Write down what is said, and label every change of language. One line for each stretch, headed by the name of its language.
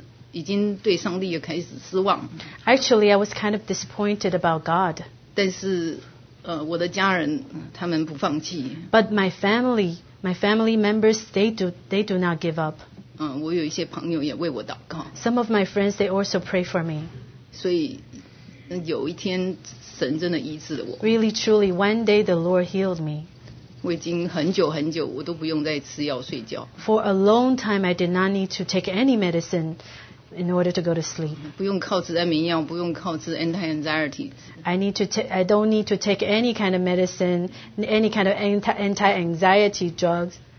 Chinese: 所以，我其实已经对上帝也开始失望。
English: Actually, I was kind of disappointed about God.
Chinese: 但是，我的家人他们不放弃。
English: But my family members, they do not give up.
Chinese: 我有一些朋友也为我祷告。
English: Some of my friends, they also pray for me.
Chinese: 所以有一天神真的医治了我。
English: Really, truly, one day the Lord healed me.
Chinese: 我已经很久很久我都不用再吃药睡觉。
English: For a long time, I did not need to take any medicine in order to go to sleep.
Chinese: 不用靠吃安眠药，不用靠吃anti-anxiety。
English: I don't need to take any kind of medicine, any kind of anti-anxiety drugs.